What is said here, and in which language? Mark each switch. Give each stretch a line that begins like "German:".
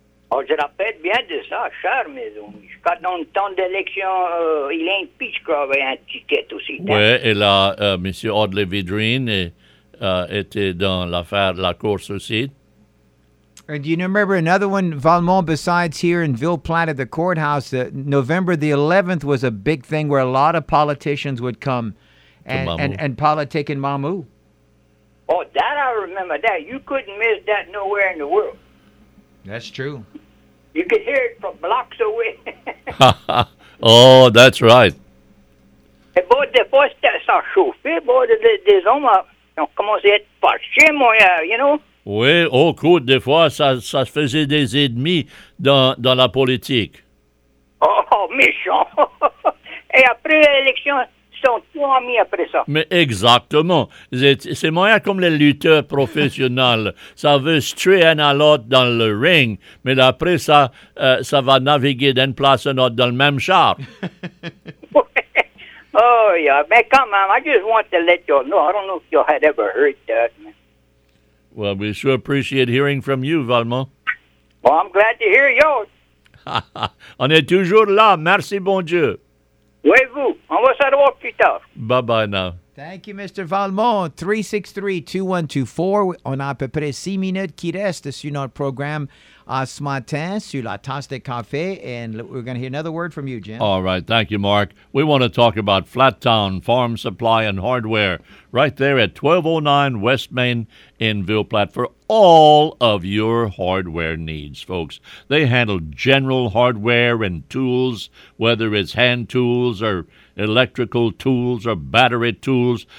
French: Oh, je rappelle bien de ça, cher mes amis. Quand dans le temps d'élection, Hélène Pichkov avait un ticket aussi. Oui, et là, Monsieur Audley Vidrine était dans l'affaire La Course aussi.
English: And do you remember another one, Valmont, besides here in Ville Platte at the courthouse? November the 11th was a big thing where a lot of politicians would come and politic in Mamou. Oh, that I remember. That. You couldn't miss that nowhere in the world. That's true. You could hear it from blocks away. Oh, that's right.
French: Et bon, des fois, ça chauffait, bon, des hommes ont commencé à être parchés, moi,
English: you know?
French: Oui, au coup, des fois, ça faisait des ennemis dans la politique. Oh, méchant! Et après l'élection, ils sont tous amis après ça. Mais exactement. C'est moyen comme les lutteurs professionnels. Ça veut straight un à l'autre dans le ring, mais après ça, ça va naviguer d'une place à l'autre dans le même char.
English: Oh, yeah,
French: mais quand même,
English: I just want to let you know, I don't know if you had ever heard that. Well, we sure appreciate hearing from you, Valmont. Well, I'm glad to hear yours.
French: On est toujours là. Merci, bon Dieu. Oui, vous. On va se revoir plus tard.
English: Bye-bye now. Thank you, Mr. Valmont. 363-2124.
French: On a à peu près 6 minutes qui reste sur notre programme ce matin sur la tasse de café.
English: And we're going to hear another word from you, Jim. All right. Thank you, Mark. We want to talk about Flat Town Farm Supply and Hardware right there at 1209 West Main in Ville Platte for all of your hardware needs, folks. They handle general hardware and tools, whether it's hand tools or electrical tools or battery tools.